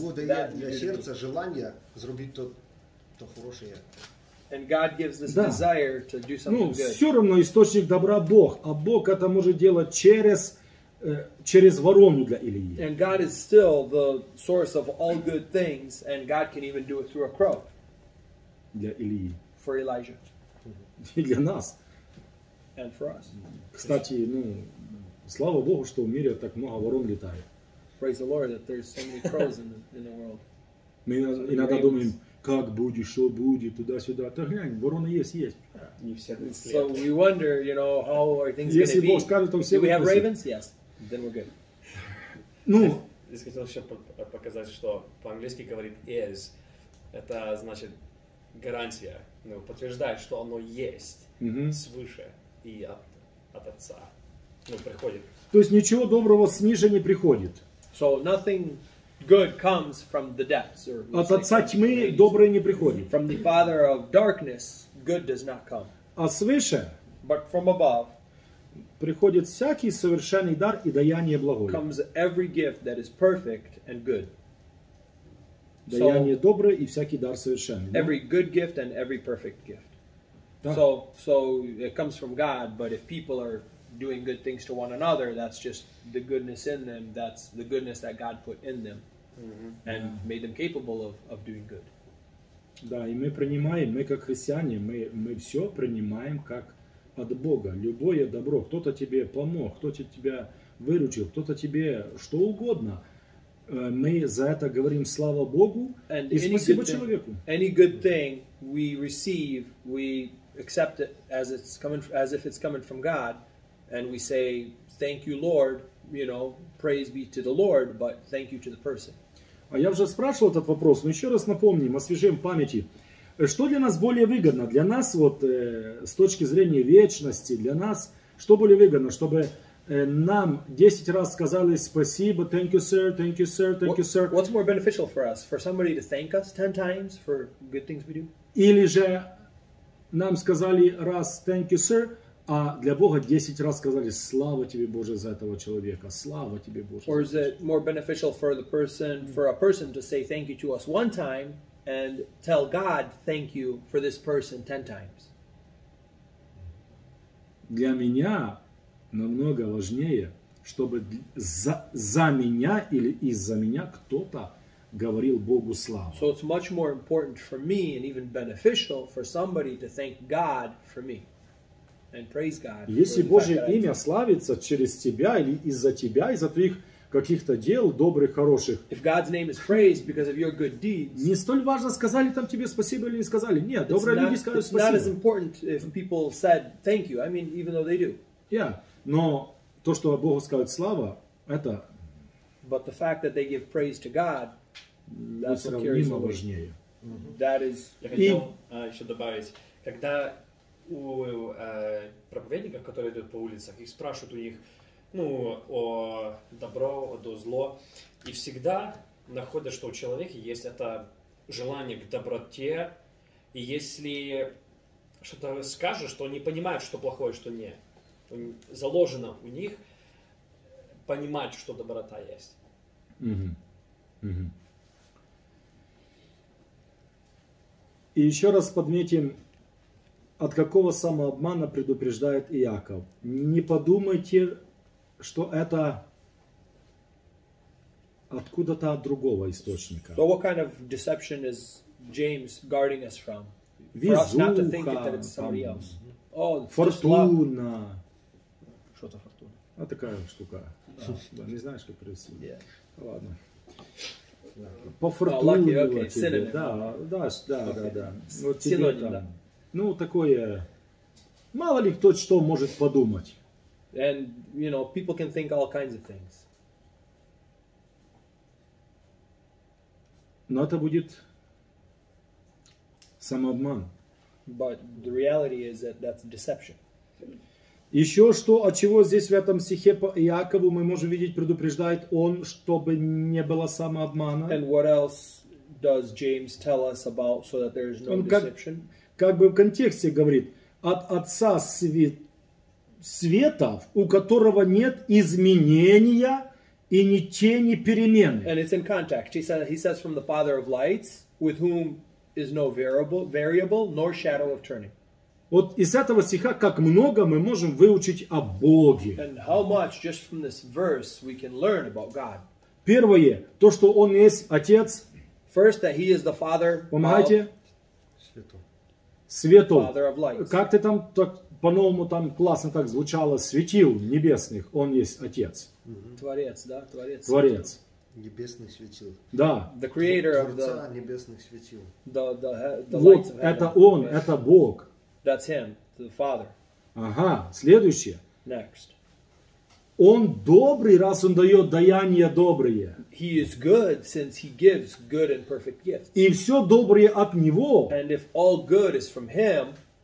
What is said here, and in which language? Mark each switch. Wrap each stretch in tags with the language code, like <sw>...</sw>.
<uk>Ну, Бог дає для серця желання зробити то хороше.</uk> <en>And God gives this desire to do something ну, good.</en> <uk>Ну, все равно істочник добра Бог, а Бог це може робити через ворону для Ілії.</uk> <en>And God is still the source of all good things, and God can even do it through a crow.</en> <uk>Для Ілії.</uk> <en>For Elijah.</en> <ru>И для нас.</ru> <en>And for us.</en> <ru>Кстати, ну, слава Богу, что в мире так много ворон летает.</ru> <en>Praise the Lord that there's so many crows in the world.</en> <ru>Мы иногда думаем, как будет, что будет, туда-сюда. Да глянь, вороны есть, есть. Не все.</ru> <en>So we wonder, you know, how are things going to be?</en> <ru>Если Бог скажет, то все.</ru> <en>Do we have ravens? Yes. Then we're good. Ну.</en> <ru>Я хотел еще показать, что по-английски говорит is. Это значит гарантия. Ну, подтверждает, что оно есть свыше и от Отца. Ну, приходит. То есть ничего доброго снизу не приходит.</ru> <en>So nothing good comes from the depths. Or,</en> <ru>от Отца тьмы доброе не приходит.</ru> <en>From the Father of darkness, good does not come.</en> <ru>А свыше?</ru> <en>But from above.</en> <ru>приходит всякий совершенный дар и даяние благое.</ru> <en>Comes every gift that is perfect and good.</en> <ru>Даяние доброе и всякий дар совершенный.</ru> <en>Every good gift and every perfect gift.</en> <ru>Да.</ru> <en>So it comes from God, but if people are doing good things to one another, that's just the goodness in them, that's the goodness that God put in them and made them capable of doing good.</en> <ru>Да, и мы принимаем, мы как христиане, мы все принимаем как от Бога. Любое добро, кто-то тебе помог, кто-то тебя выручил, кто-то тебе что угодно. Мы за это говорим слава Богу</ru> <en>and</en> <ru>и спасибо человеку.</ru> <en>Any good thing we receive, we accept it as it's coming, as if it's coming from God, and we say thank you, Lord, you know, praise be to the Lord, but thank you to the person.</en> <ru>А я уже спрашивал этот вопрос, но еще раз напомним, освежим памяти. Что для нас более выгодно? Для нас вот с точки зрения вечности, для нас что более выгодно, чтобы нам 10 раз сказали спасибо,</ru> <en>thank you sir, thank you sir,</en> <ru>thank you sir.</ru> <en>What's more beneficial for us? For somebody to thank us 10 times for good things we do?</en> <ru>Или же нам сказали раз</ru> <en>thank you sir,</en> <ru>а для Бога 10 раз сказали слава тебе Боже за этого человека, слава тебе Боже.</ru> <en>Or is it more beneficial for the person, for a person to say thank you to us one time and tell God thank you for this person 10 times?</en> <ru>Для меня намного важнее, чтобы за меня или из-за меня кто-то говорил Богу славу.</ru> <en>So it's much more important for me and even beneficial for somebody to thank God for me and praise God.</en> <ru>Если Божье имя славится через тебя, из-за твоих каких-то дел добрых, хороших.</ru> <en>If God's name is praised because of your good deeds.</en> <ru>Не столь важно, сказали там тебе спасибо или не сказали. Нет, добрые люди скажут спасибо.</ru> <en>It's not as important if people said thank you. I mean, even though they do. Yeah.</en> <ru>Но то, что Богу скажут слава, это</ru> <en>but the fact that they give praise to God, that's what carries</en> <ru>важнее.</ru> <en>That is...</en> <ru>Я хотел еще добавить, когда у проповедников, которые идут по улицах, их спрашивают у них, ну, о добро, о зло, и всегда находят, что у человека есть это желание к доброте, и если что-то скажешь, то они понимают, что плохое, что нет. Заложено у них понимать, что доброта есть. И еще раз подметим, от какого самообмана предупреждает Иаков. Не подумайте, что это откуда-то от другого источника.</ru> <en>So what kind of deception is James guarding us from?</en> <ru>Везуха,</ru> <en>for us not to think that it's somebody else.</en> <ru>Oh, фортуна. Что-то фортуна. А такая штука. Да, не знаешь, как привести.</ru> <en>Yeah.</en> <ru>Ладно. По фортуне было тебе. Да. Вот тебе синоним, там. Да. Ну, такое. Мало ли кто что может подумать.</ru> <en>And, you know, people can think all kinds of things.</en> <ru>Но это будет самообман.</ru> <en>But the reality is that that's deception.</en> <ru>Еще что, от чего здесь в этом стихе по Иакову мы можем видеть, предупреждает он, чтобы не было самообмана.</ru> <en>And what else does James tell us about so that there is no deception?</en> <ru>Как бы в контексте говорит, от Отца Света, у которого нет изменения и ни тени перемены.</ru> <en>And it's in context. He says from the Father of Lights, with whom is no variable nor shadow of turning.</en> <ru>Вот из этого стиха как много мы можем выучить о Боге.</ru> <en>And how much just from this verse we can learn about God.</en> <ru>Первое, то, что Он есть Отец.</ru> <en>First, that He is the Father.</en> <ru>Помогайте. Святой.</ru> <en>Father of Lights.</en> <ru>Как ты там так по-новому там классно так звучало? Светил небесных. Он есть Отец. Творец, да? Творец. Творец. Небесный светил. Да.</ru> <en>The creator of the...</en> <ru>Творца небесных светил.</ru> <en>The</en> <ru>вот, это Он, это Бог.</ru> <en>That's Him, the Father.</en> <ru>Ага, следующее.</ru> <en>Next.</en> <ru>Он добрый, раз Он дает даяния добрые.</ru> <en>He is good, since He gives good and perfect gifts.</en> <ru>И все доброе от Него.</ru> <en>And if all good is from Him.</en>